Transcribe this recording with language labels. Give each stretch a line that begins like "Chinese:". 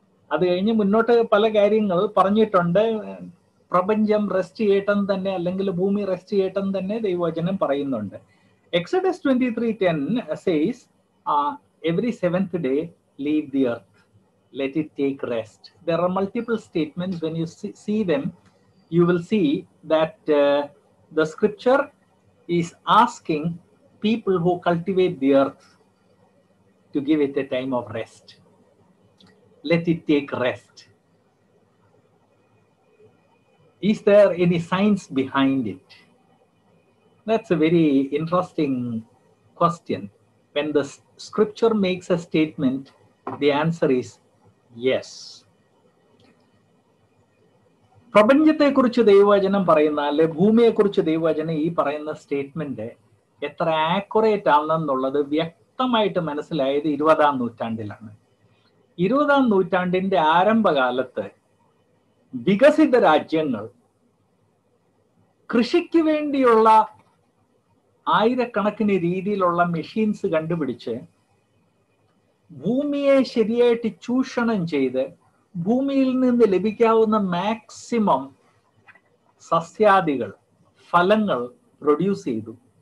Malayalam: അത് കഴിഞ്ഞ് മുന്നോട്ട് പല കാര്യങ്ങൾ പറഞ്ഞിട്ടുണ്ട്. പ്രപഞ്ചം റെസ്റ്റ് ചെയ്യട്ടെന്ന് തന്നെ, അല്ലെങ്കിൽ ഭൂമി റെസ്റ്റ് ചെയ്യട്ടെന്ന് തന്നെ ദൈവവചനം പറയുന്നുണ്ട്.
English: Exodus 23:10 says every seventh day leave the earth, let it take rest. There are multiple statements, when you see them you will see that the scripture is asking people who cultivate the earth to give it a time of rest, let it take rest. Is there any science behind it? That's a very interesting question. When the scripture makes a statement, the answer is yes.
Malayalam: പ്രപഞ്ചത്തെ കുറിച്ച് ദൈവവചനം പറയുന്ന, അല്ലെ ഭൂമിയെ കുറിച്ച് ദൈവവചനം ഈ പറയുന്ന സ്റ്റേറ്റ്മെന്റ് എത്ര ആക്യുറേറ്റ് ആണെന്നുള്ളത് വ്യക്തമായിട്ട് മനസ്സിലായത് 20-ാം നൂറ്റാണ്ടിലാണ്. 20-ാം നൂറ്റാണ്ടിന്റെ ആരംഭകാലത്ത് വികസിത രാജ്യങ്ങൾ കൃഷിക്ക് വേണ്ടിയുള്ള ആയിരക്കണക്കിന് രീതിയിലുള്ള മെഷീൻസ് കണ്ടുപിടിച്ച് ഭൂമിയെ ശരിയായിട്ട് ചൂഷണം ചെയ്ത് ഭൂമിയിൽ നിന്ന് ലഭിക്കാവുന്ന മാക്സിമം സസ്യാദികൾ, ഫലങ്ങൾ പ്രൊഡ്യൂസ് ചെയ്തു.